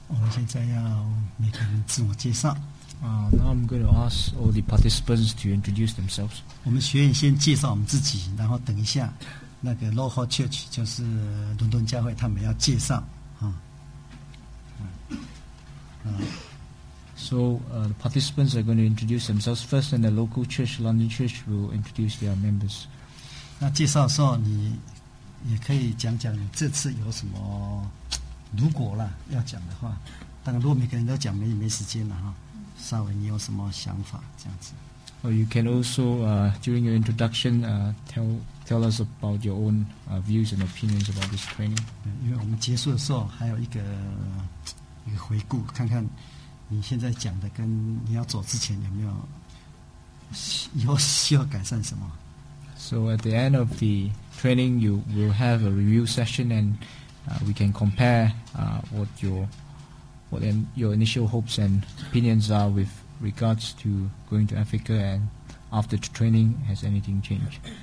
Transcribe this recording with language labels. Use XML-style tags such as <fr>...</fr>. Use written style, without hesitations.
<zh>现在要每个人自我介绍。</zh> <en>Now I'm going to ask all the participants to introduce themselves.</en> <zh>我们学员先介绍我们自己，然后等一下，那个 Local Church 就是伦敦教会，他们要介绍。</zh> <en>So the participants are going to introduce themselves first, and the local church, London Church, will introduce their members.</en> <zh>那介绍的时候，你也可以讲讲你这次有什么，如果啦要讲的话，当然如果每个人都讲，没时间了哈。稍微你有什么想法这样子。</zh> <en>Well, you can also during your introduction tell us about your own views and opinions about this training.</en> <zh>因为我们结束的时候还有一个回顾，看看你现在讲的跟你要走之前有没有以后需要改善什么。</zh> <en>So at the end of the training, you will have a review session, and we can compare what your initial hopes and opinions are with regards to going to Africa, and after the training, has anything changed?</en>